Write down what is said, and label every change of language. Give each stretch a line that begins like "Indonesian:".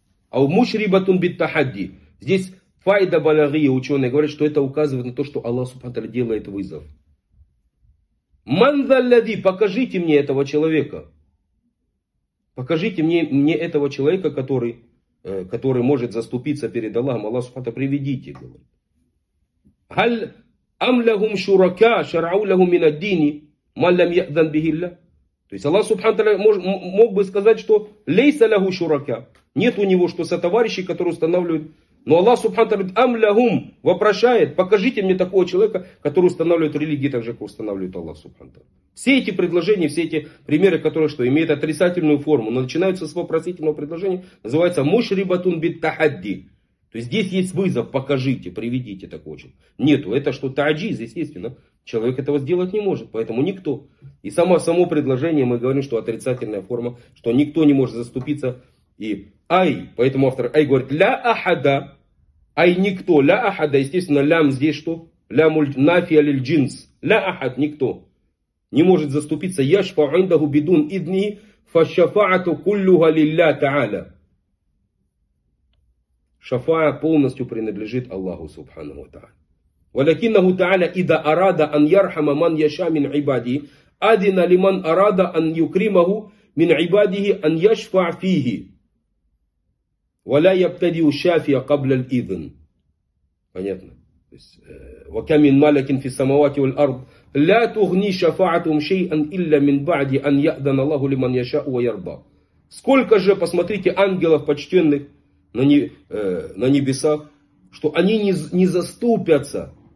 Russian: Ау мушрибатун бит тахадди. Здесь файда балагия, ученые говорят, что это указывает на то, что Аллах субхану тааля делает вызов. Ман далляди, покажите мне этого человека. Покажите мне этого человека, который может заступиться перед Аллахом. Аллах субхану тааля, приведите, говорит.
Arabic: هل أم لهم شركاء شرعوا لهم من الدين ما لم يأذن به الله؟
Russian: То есть Аллах Субхану Тааля мог бы сказать, что лейса лаху шурака. Нет у него что сотоварищей, которые устанавливают. Но Аллах Субхану Тааля ам лахум вопрошает, покажите мне такого человека, который устанавливает религию, так же, как устанавливает Аллах Субхану Тааля. Все эти предложения, все эти примеры, которые что, имеют отрицательную форму, но начинаются с вопросительного предложения, называется мушрибатун биттахадди. То есть здесь есть вызов, покажите, приведите такого человека. Нету, это что, тааджиз, естественно. Человек этого сделать не может, поэтому никто. И само предложение, мы говорим, что отрицательная форма, что никто не может заступиться. И ай, поэтому автор ай говорит, ля ахада, ай никто, ля ахада, естественно, лям здесь что? Лям нафи алиль джинс, ля ахад, никто. Не может заступиться, яшфа индаху бидун идни, фашафаату куллюга лилля тааля. Шафаа полностью принадлежит Аллаху Субхану Тааля.
Arabic: ولكنه تعالى إذا أراد أن يرحم من يشاء من عباده أذن لمن أراد أن يكرمه من عباده أن يشفع فيه ولا يبتدئ الشافي قبل الإذن.
Russian: понятно.
Arabic: وكم من ملك في السماوات والأرض لا تغني شفاعتهم شيئا إلا من بعد أن يأذن الله لمن يشاء ويرضى.
Russian: сколько же посмотрите ангелов почтенных на небесах, что они не заступятся.